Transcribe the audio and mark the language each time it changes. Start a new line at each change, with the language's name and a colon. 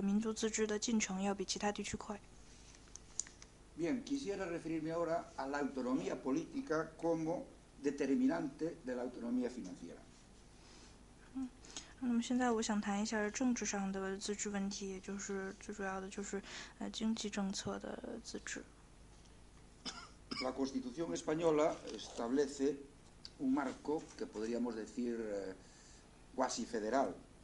Chinese: 那么在当时呢，这些这三个民族地区，他们是在由于历史上和文化上的原因，因此他们在赋予这种民族自治共同体的这种权利，是比其他地区要多的，就是说他们拥有更多的这种民族自治的权利，同时他们的这个民族自治的进程要比其他地区快。
Spanish: Bien, quisiera referirme ahora a la autonomía política como determinante de la autonomía financiera.
Chinese: 那么现在我想谈一下政治上的自治问题，就是最主要的就是经济政策的自治。
Spanish: La Constitución española establece un marco que podríamos decir cuasi federal.